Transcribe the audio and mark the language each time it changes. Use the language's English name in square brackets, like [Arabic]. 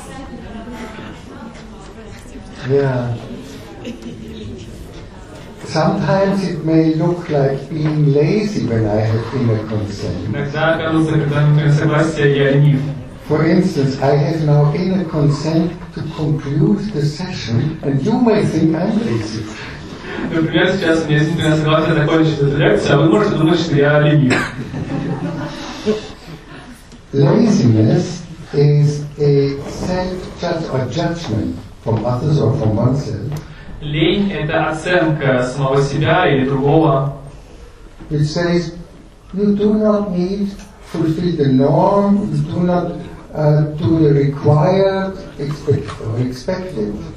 [English] Okay. Yeah. Sometimes it may look like being lazy when I have inner consent. [Russian] Иногда кажется, когда внутреннее согласие, я ленив. [English] For instance, I have now inner consent to conclude the session, and you may think I'm lazy. [Russian] Например, сейчас у меня есть внутреннее согласие закончить эту лекцию, а вы можете думать, что я ленив. [English] Laziness is a self-judgment from others or from oneself. [Russian] Лень – это оценка самого себя или другого. [English] It says, you do not need to fulfill the norm, you do not do the required expected.